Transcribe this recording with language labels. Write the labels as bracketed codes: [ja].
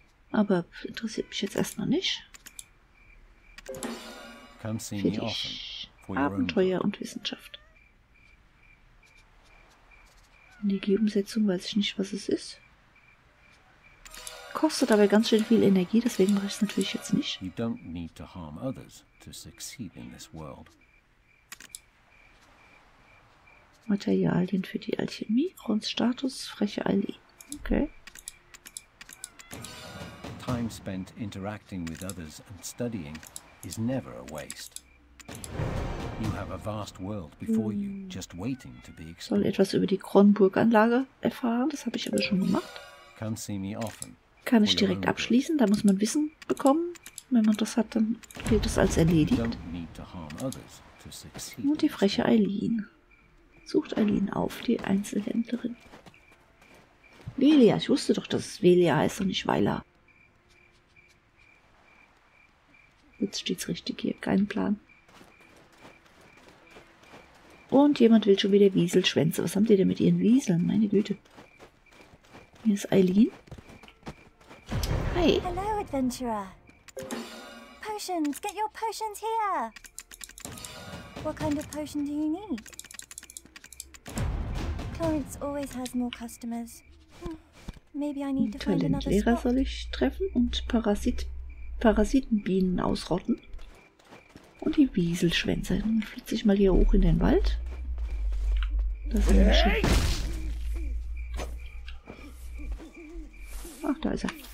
[de] Aber interessiert mich jetzt erstmal nicht. Fetisch, Abenteuer und Wissenschaft. Energieumsetzung, weiß ich nicht, was es ist. Kostet aber ganz schön viel Energie, deswegen mache ich es natürlich jetzt nicht. [en] You don't need to harm others to succeed in this world. [de] Materialien für die Alchemie, Grundstatus, freche Ali. Okay. [en] Time spent interacting with others and studying is never a waste. You have a vast world before you, just waiting to be explored. [de] Soll etwas über die Kronburg-Anlage erfahren, das habe ich aber schon gemacht. [en] Come see me often. [de] Kann ich direkt abschließen, da muss man Wissen bekommen. Wenn man das hat, dann gilt das als erledigt. Und die freche Eileen. Sucht Eileen auf, die Einzelhändlerin. Velia, ich wusste doch, dass es Velia heißt und nicht Weiler. Jetzt steht's richtig hier, kein Plan. Und jemand will schon wieder Wieselschwänze. Was haben die denn mit ihren Wieseln? Meine Güte. Hier ist Eileen. Hi. Hallo, Adventurer. [en] Potions, get your potions here. What kind of potion do you need? Florence always has more customers. Maybe I need to find another spot. [de] Talentlehrer soll ich treffen und Parasitenbienen ausrotten. Und die Wieselschwänze. Dann flitze ich mal hier hoch in den Wald. Das ist ein Schiff. Ach, da ist er.